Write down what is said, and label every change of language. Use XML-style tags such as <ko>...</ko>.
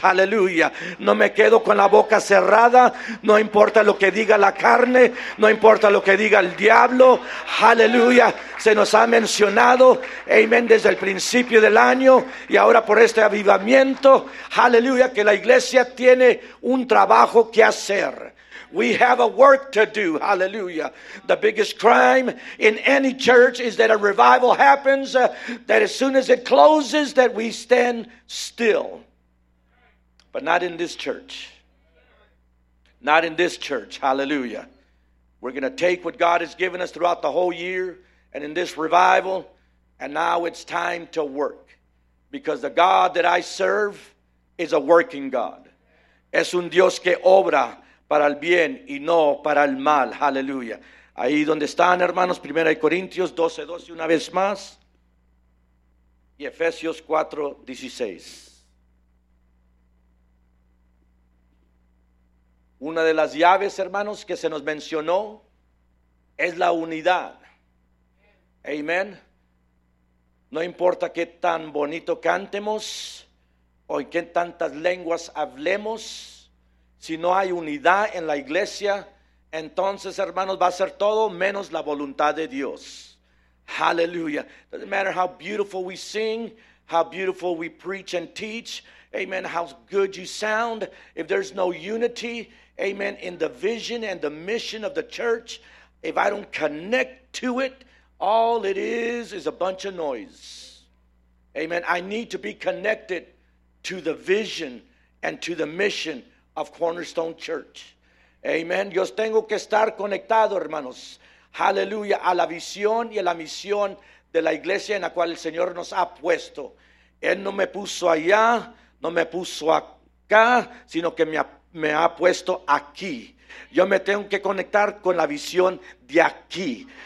<es>Aleluya, no me quedo con la boca cerrada, no importa lo que diga la carne, no importa lo que diga el diablo. Aleluya, se nos ha mencionado, amén, desde el principio del año, y ahora por este avivamiento, aleluya, que la iglesia tiene un trabajo que hacer.</es> <en>We have a work to do, hallelujah. The biggest crime in any church is that a revival happens, that as soon as it closes, that we stand still. But not in this church. Not in this church, hallelujah. We're going to take what God has given us throughout the whole year and in this revival, and now it's time to work. Because the God that I serve is a working God.</en> <es>Es un Dios que obra para el bien y no para el mal. Hallelujah. Ahí donde están, hermanos, 1 Corintios 12, 12 una vez más. Y Efesios 4, 16. Una de las llaves, hermanos, que se nos mencionó es la unidad. Amén. No importa qué tan bonito cantemos o en qué tantas lenguas hablemos, si no hay unidad en la iglesia, entonces, hermanos, va a ser todo menos la voluntad de Dios. Aleluya.</es> <en>Doesn't matter how beautiful we sing, how beautiful we preach and teach, amen, how good you sound, if there's no unity, amen, in the vision and the mission of the church, if I don't connect to it, all it is a bunch of noise. Amen. I need to be connected to the vision and to the mission of Cornerstone Church.</en> <es>Amen. Yo tengo que estar conectado, hermanos. Hallelujah. A la visión y a la misión de la iglesia en la cual el Señor nos ha puesto. Él no me puso allá, no me puso acá, sino que me ha puesto aquí. Yo me tengo que conectar con la visión de aquí.</es>